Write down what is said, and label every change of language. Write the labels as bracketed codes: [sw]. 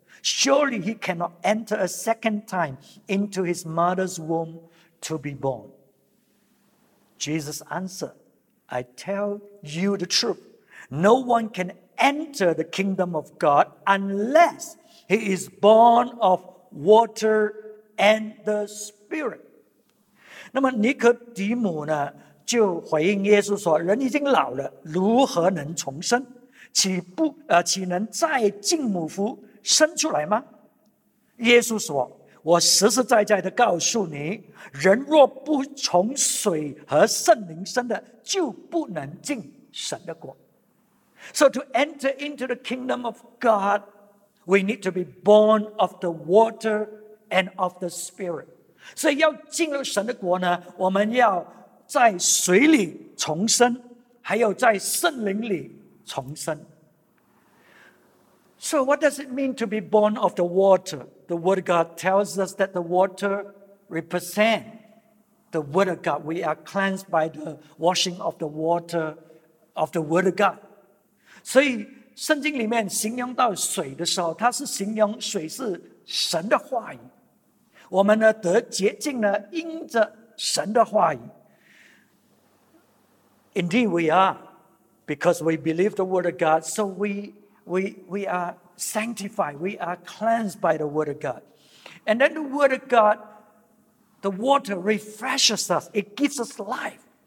[en] Surely he cannot enter a second time into his mother's womb to be born." Jesus answered, "I tell you the truth. No one can enter the kingdom of God unless he is born of water and the Spirit." [zh] 那么尼可底母呢，就回应耶稣说，人已经老了，如何能重生？岂能再进母腹生出来吗？耶稣说，我实实在在地告诉你，人若不从水和圣灵生的，就不能进神的国。 [en] So to enter into the kingdom of God, we need to be born of the water and of the Spirit. [zh] 所以要进入神的国呢，我们要在水里重生，还有在圣灵里重生。 [en] So what does it mean to be born of the water? The word of God tells us that the water represents the word of God. We are cleansed by the washing of the water of the word of God. [zh] 所以圣经里面形容到水的时候，它是形容水是神的话语。我们呢得洁净呢，因着神的话语。 [en] Indeed we are, because we believe the word of God, so we areSanctified, we are cleansed by the word of God. And then the word of God, the water refreshes us, it gives us life.